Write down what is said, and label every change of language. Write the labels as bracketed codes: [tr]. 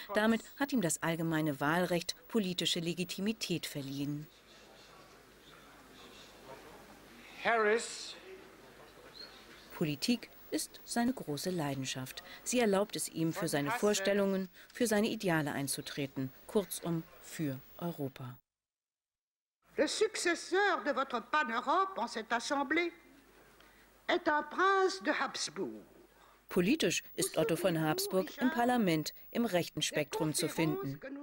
[de] Damit hat ihm das allgemeine Wahlrecht politische Legitimität verliehen. Harris. Politik ist seine große Leidenschaft. Sie erlaubt es ihm, für seine Vorstellungen, für seine Ideale einzutreten. Kurzum, für Europa. [fr] Le successeur de votre Pan-Europe en cette assemblée est un prince de Habsbourg. [de] Politisch ist Otto von Habsburg im Parlament im rechten Spektrum zu finden.